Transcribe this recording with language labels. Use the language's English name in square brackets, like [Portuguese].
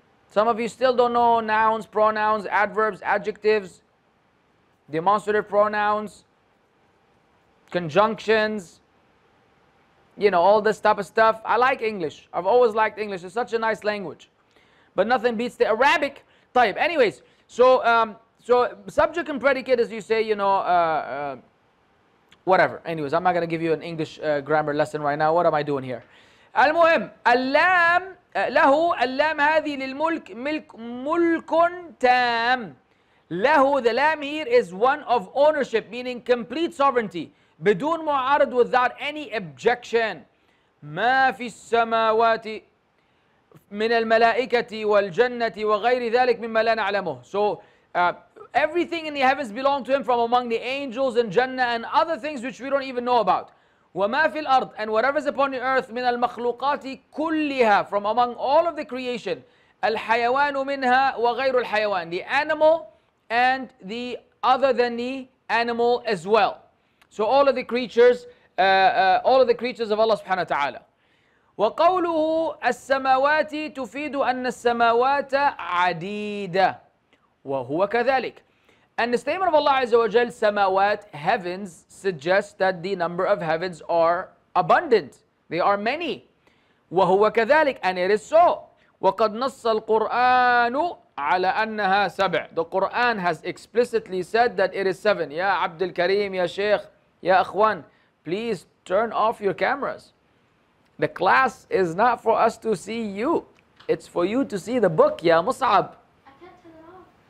[English] Some of you still don't know nouns, pronouns, adverbs, adjectives, demonstrative pronouns, conjunctions, you know, all this type of stuff. I like English. I've always liked English. It's such a nice language. But nothing beats the Arabic type. Anyways, so subject and predicate, as you say, you know, whatever. Anyways, I'm not going to give you an English grammar lesson right now. What am I doing here? [Arabic] المهم, اللام له, اللام هذه للملك, ملك, ملك تام. [English] له, the lamb here is one of ownership, meaning complete sovereignty. [Arabic] بدون معارض, [English] without any objection. [Arabic] ما في السماوات من الملائكة والجنة وغير ذلك مما لا نعلمه. [English] So everything in the heavens belong to him, from among the angels and Jannah and other things which we don't even know about. [Arabic] وما في الأرض, [English] and whatever is upon the earth. [Arabic] من المخلوقات كلها, [English] from among all of the creation. [Arabic] الحيوان منها وغير الحيوان, [English] the animal and the other than the animal as well. So all of the creatures, all of the creatures of Allah subhanahu wa ta'ala. [Arabic] وقوله السماوات تفيد أن السماوات عديدة وهو كذلك. [English] And the statement of Allah عز وجل, سماوات, heavens, suggests that the number of heavens are abundant. They are many. [Arabic] وهو كذلك. [English] And it is so. [Arabic] وقد نص القرآن على أنها سبع. [English] The Quran has explicitly said that it is seven. [Arabic] يا عبد الكريم, يا شيخ, يا أخوان, [English] please turn off your cameras. The class is not for us to see you. It's for you to see the book, ya Mus'ab. I can't turn it off.